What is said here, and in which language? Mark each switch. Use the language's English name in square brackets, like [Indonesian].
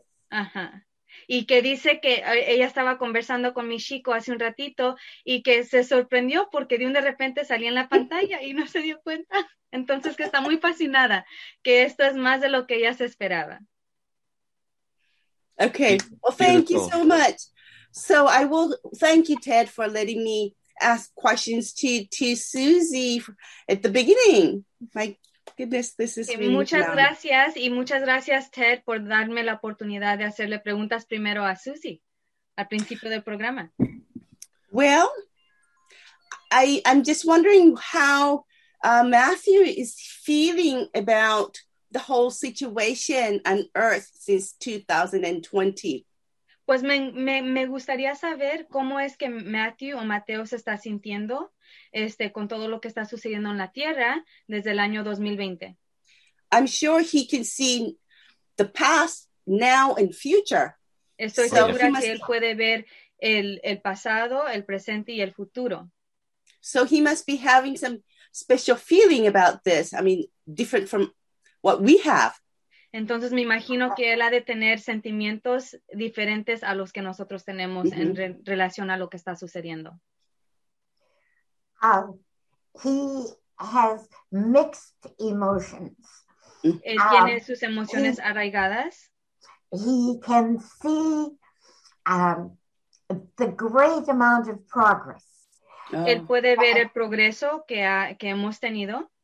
[Spanish] Ajá. Y que dice que ella estaba conversando con mi chico hace un ratito y que se sorprendió porque de un de repente salía en la pantalla y no se dio cuenta. Entonces que está muy fascinada, que esto es más de lo que ella se esperaba. [English] Okay, well, thank you so much. So I will thank you, Ted, for letting me ask questions to Susie at the beginning. [Spanish] Muchas gracias y muchas gracias, Ted, por darme la oportunidad de hacerle preguntas primero a Susie al principio del programa. [English] Well, I'm just wondering how Matthew is feeling about the whole situation on Earth since 2020. [Spanish] Pues me gustaría saber cómo es que Matthew o Mateo se está sintiendo con todo lo que está sucediendo en la Tierra desde el año 2020. [English] I'm sure he can see the past, now, and future. [Spanish] Estoy segura que él puede ver el pasado, el presente y el futuro. [English] So he must be having some special feeling about this. I mean, different from what we have. [Spanish] Entonces me imagino que él ha de tener sentimientos diferentes a los que nosotros tenemos mm-hmm. en relación a lo que está sucediendo. [English] He has mixed emotions. [Spanish] Él tiene sus emociones arraigadas. [English] He can see the great amount of progress. [Spanish] Él puede ver el progreso que hemos tenido.